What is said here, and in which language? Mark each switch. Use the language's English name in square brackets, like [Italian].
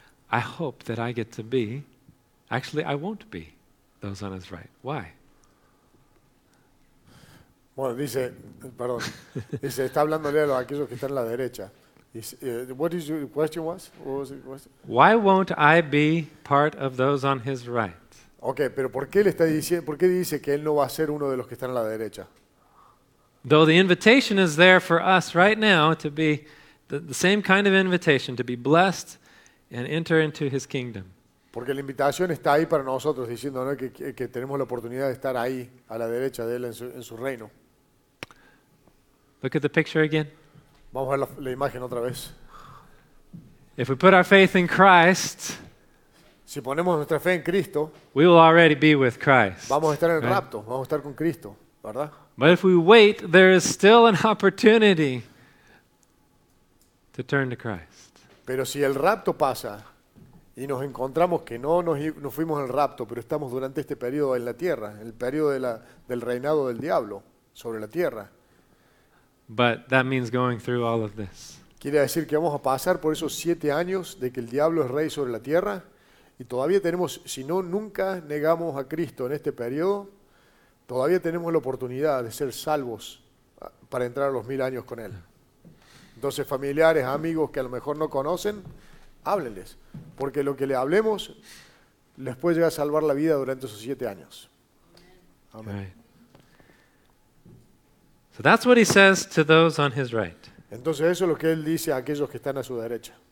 [English] I hope that I get to be, actually I won't be, those on his right. Why? [Spanish] Bueno, dice, perdón, dice, está hablándole a los aquellos que están a la derecha. Dice, [English] what is your question was? What was it, Why won't I be part of those on his right? [Spanish] Okay, pero ¿por qué le está diciendo, por qué dice que él no va a ser uno de los que están a la derecha? [English] Though the invitation is there for us right now to be the same kind of invitation, to be blessed and enter into his kingdom. [Spanish] Porque la invitación está ahí para nosotros, diciendo, ¿no?, que tenemos la oportunidad de estar ahí, a la derecha de él, en su reino. [English] Look at the picture again. [Spanish] Vamos a ver la imagen otra vez. [English] If we put our faith in Christ, [Spanish] si ponemos nuestra fe en Cristo, [English] we will already be with Christ. [Spanish] Vamos a estar en el rapto, vamos a estar con Cristo, ¿verdad? [English] But if we wait, there is still an opportunity to turn to Christ. [Spanish] Pero si el rapto pasa y nos encontramos que no nos fuimos al rapto, pero estamos durante este periodo en la tierra, el periodo del reinado del diablo sobre la tierra. [English] But that means going through all of this. [Spanish] Quiere decir que vamos a pasar por esos 7 años de que el diablo es rey sobre la tierra y todavía tenemos, si no nunca negamos a Cristo en este periodo, todavía tenemos la oportunidad de ser salvos para entrar a los 1000 años con él. Entonces, familiares, amigos que a lo mejor no conocen, háblenles, porque lo que le hablemos les puede llegar a salvar la vida durante esos 7 años. [English] Amén. Right. So that's what he says to those on his right. [Spanish] Entonces eso es lo que él dice a aquellos que están a su derecha.